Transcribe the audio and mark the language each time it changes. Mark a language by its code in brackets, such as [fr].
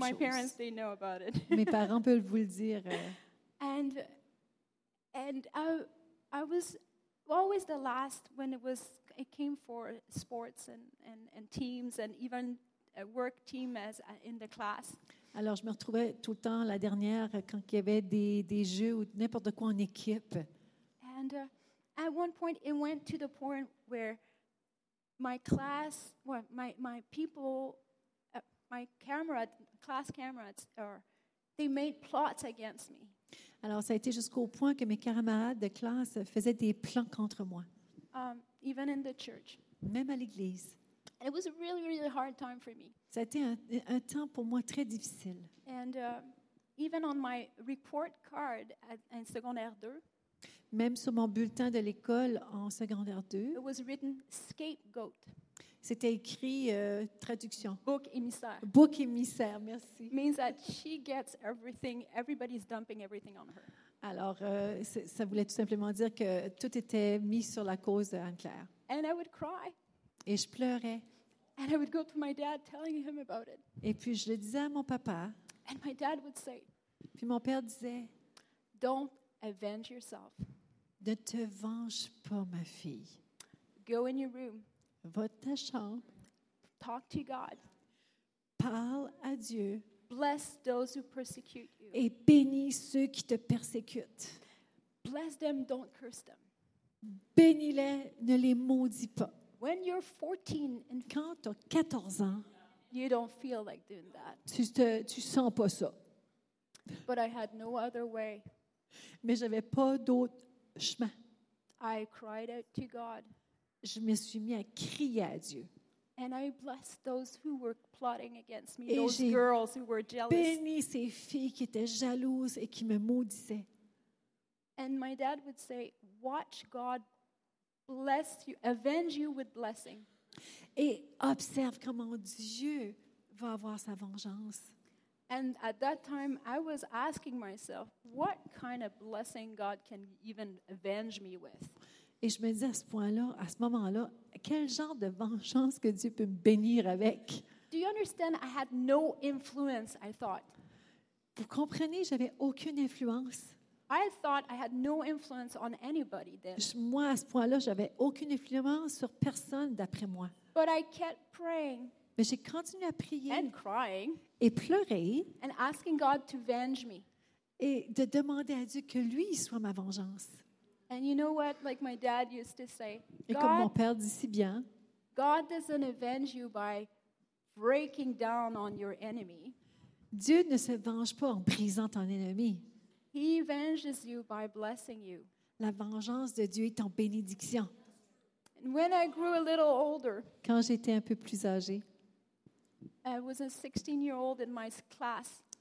[en] My parents, they know about it. [fr] Mes parents peuvent vous le dire. [en] And I was always the last when it came for sports and teams and even a work team as in the class. [fr] Alors je me retrouvais tout le temps la dernière quand il y avait des jeux ou n'importe quoi en équipe. [en] And at one point it went to the point where my class, well, my people, my camarades, class camarades, or they made plots against me. [fr] Alors, ça a été jusqu'au point que mes camarades de classe faisaient des plans contre moi. [en] Even in the church. [fr] Même à l'église. [en] It was a really, really hard time for me. [fr] Ça a été un temps pour moi très difficile. [en] And even on my report card in secondaire 2. [fr] Même sur mon bulletin de l'école en secondaire 2. [en] It was written scapegoat. [fr] C'était écrit traduction. Bouc émissaire. Bouc émissaire, merci. [en] Means that she gets everything. Everybody's dumping everything on her. [fr] Alors, ça voulait tout simplement dire que tout était mis sur la cause d'Anne-Claire. [en] And I would cry. [fr] Et je pleurais. [en] And I would go to my dad, telling him about it. [fr] Et puis je le disais à mon papa. [en] And my dad would say. [fr] Puis mon père disait. [en] Don't avenge yourself. [fr] Ne te venge pas, ma fille. [en] Go in your room. [fr] Va ta chambre. [en] Talk to God. [fr] Parle à Dieu. [en] Bless those who persecute you. [fr] Et bénis ceux qui te persécutent. [en] Bless them, don't curse them. [fr] Bénis-les, ne les maudis pas. [en] When you're 14 and [fr] quand tu as 14 ans, [en] you don't feel like doing that. [fr] Tu sens pas ça. [en] But I had no other way. [fr] Mais j'avais pas d'autre chemin. [en] I cried out to God. [fr] Je me suis mis à crier à Dieu. [en] And I blessed those who were plotting against me, those girls who were jealous. [fr] Et j'ai béni ces filles qui étaient jalouses et qui me maudissaient. [en] And my dad would say, "Watch God bless you, avenge you with blessing." [fr] Et observe comment Dieu va avoir sa vengeance. [en] And at that time, I was asking myself, "What kind of blessing God can even avenge me with?" [fr] Et je me disais à ce point-là, à ce moment-là, quel genre de vengeance que Dieu peut me bénir avec? [en] Do you understand? I had no influence, I thought. [fr] Vous comprenez? J'avais aucune influence. [en] I thought I had no influence on anybody then. [fr] Moi, à ce point-là, j'avais aucune influence sur personne d'après moi. [en] But I kept praying. [fr] Mais j'ai continué à prier. [en] And crying. [fr] Et pleurer. [en] And asking God to venge me. [fr] Et de demander à Dieu que lui soit ma vengeance. [en] And you know what, like my dad used to say, [fr] et comme mon père dit si bien, [en] God doesn't avenge you by breaking down on your enemy. [fr] Dieu ne se venge pas en brisant ton ennemi. [en] He avenges you by blessing you. [fr] La vengeance de Dieu est en bénédiction. [en] And when I grew a little older, [fr] quand j'étais un peu plus âgée, [en] I was a 16-year-old in my class.